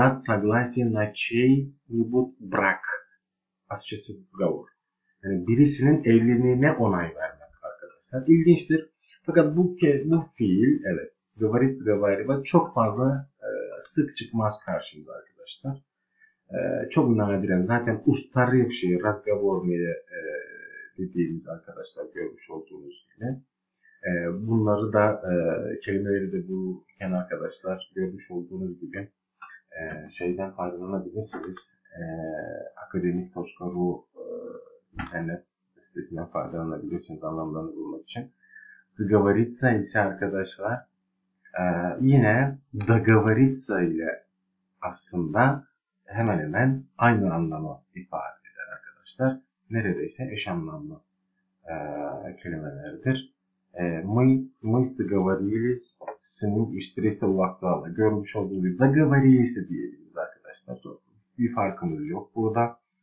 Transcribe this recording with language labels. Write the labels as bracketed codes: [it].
[ru] Dat согласие на чей-нибудь брак. Осуществить сговор. [tr] Yani birisinin evliliğine onay vermek arkadaşlar. İlginçtir. Fakat bu fiil, evet, говорить, говорить çok fazla sık çıkmaz karşımıza arkadaşlar. Çok nadiren zaten [ru] устаревшие разговоры [tr] dediğimiz arkadaşlar görmüş olduğunuz gibi. Bunları da, kelimeleri de bu iken arkadaşlar görmüş olduğunuz gibi şeyden faydalanabilirsiniz. Akademik.ru internet sitesinden faydalanabilirsiniz anlamlarını bulmak için. Zgavaritsa ise arkadaşlar yine dagavaritsa ile aslında hemen hemen aynı anlamı ifade eder arkadaşlar. Neredeyse eş anlamlı kelimelerdir. [ru] Мы сговорились с ним встретиться у вокзала. [tr] Görmüş olduğunuz gibi договорились diyebiliriz arkadaşlar. Bir farkımız yok burada.